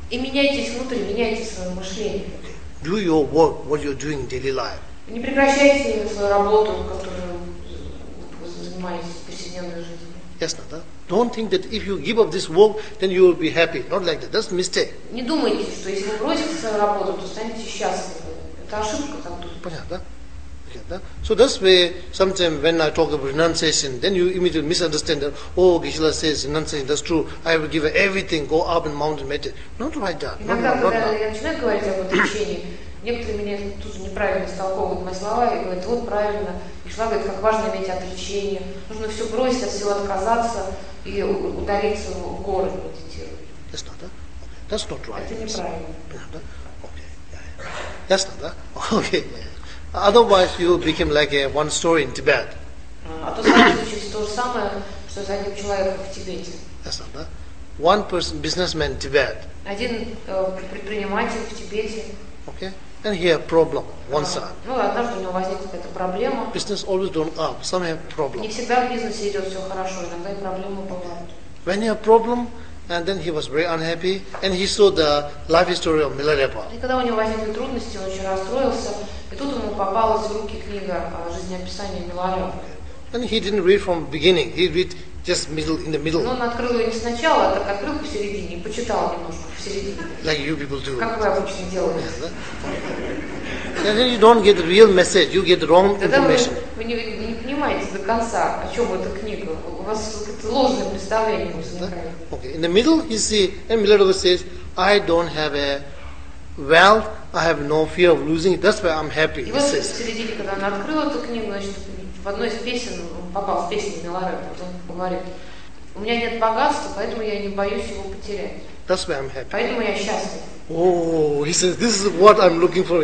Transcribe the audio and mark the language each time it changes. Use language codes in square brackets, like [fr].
[ru] И меняйтесь внутрь, меняйте свое мышление. [en] Okay. Do your work, what you're doing in daily life. [ru] Не прекращайте свою работу, которую вы занимаетесь в повседневной жизни. Ясно, да? [en] Don't think that if you give up this work, then you will be happy. Not like that. That's a mistake. [ru] Не думайте, что если вы бросите свою работу, то станете счастливы. Это ошибка там тут. Понятно, да? [en] So that's where sometimes when I talk about renunciation, then you immediately misunderstand that, oh, Geshe-la says renunciation, that's true, I will give everything, go up and mountain, meditate. Not like that. [ru] Иногда, когда [en] that. [ru] Я начинаю говорить об отречении, некоторые меня тут неправильно истолковывают мои слова и говорят, вот правильно. Geshe-la говорит, как важно иметь отречение. Нужно все бросить, от всего отказаться и удалиться в горы, медитировать. [en] That's not that. Okay. That's not right. [ru] Это неправильно. [en] Okay. Yeah. That's not that. Okay. Yeah. Otherwise, you become like a one story in Tibet. That's not that. One person, businessman in Tibet. [ru] Один предприниматель в Тибете. [en] Okay. And he have problem, one side. [ru] Ну, однажды у него возникла какая-то проблема. [en] Business always don't up. Some have problem. [ru] Не всегда в бизнесе идет все хорошо, иногда и проблемы бывают. [en] When you have problem, and then he was very unhappy, and he saw the life story of Milarepa. [ru] И когда у него возникли трудности, он очень расстроился. И тут ему попалась в руки книга жизнеописания Миларёва. [en] And he didn't read from beginning. He read just middle, in the middle. [ru] Но он открыл ее не сначала, а так открыл посередине и почитал немножко посередине. [en] Like you people do. [ru] Как вы обычно делаете. [en] And then you don't get the real message. You get the wrong information. [ru] Вы не понимаете до конца, о чем эта книга. У вас какое-то ложное представление возникает. [en] Okay. In the middle, you see, and Миларёва says, I don't have a wealth. I have no fear of losing it. That's why I'm happy. [ru] И вот в середине, когда она открыла эту книгу, значит, в одной из песен он попал в песню Миларёва, он говорит: у меня нет богатства, поэтому я не боюсь его потерять. [en] That's why I'm happy. [ru] Поэтому я счастлив. [en] Oh, he says, this is what I'm looking for.